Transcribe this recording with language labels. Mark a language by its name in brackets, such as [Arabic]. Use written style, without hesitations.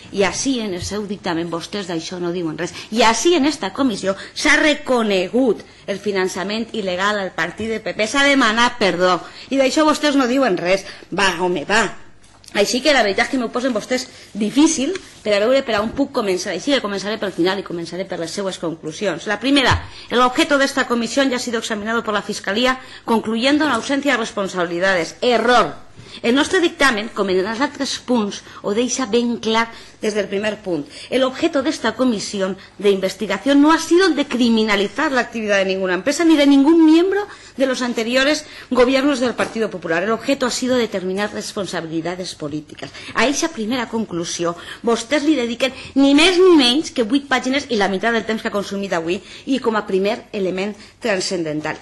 [Catalan] I així en el seu dictamen vostès d'això no diuen res. I així en esta comissió s'ha reconegut el finançament il·legal al partit del PP. S'ha demanat perdó. I d'això vostès no diuen res. Va, home, va. Així que la veritat és que m'ho posen vostès difícil per a veure per a on puc començar. Així que començaré pel final i començaré per les seues conclusions. [Spanish] La primera, l'objeto d'esta comissió ja ha sido examinado por la Fiscalía concluyendo la ausencia de responsabilidades. [Catalan] Error. El nostre dictamen, com en els altres punts, ho deixa ben clar des del primer punt. [Spanish] L'objeto d'esta comissió d'investigació no ha sido de criminalitzar l'activitat de ninguna empresa ni de ningún miembro de los anteriores gobiernos del Partido Popular. L'objeto ha sido determinar responsabilidades políticas. [Catalan] A aquesta primera conclusió, vostès li dediquen ni més ni menys que 8 pàgines i la meitat del temps que ha consumit avui i com a primer element transcendental.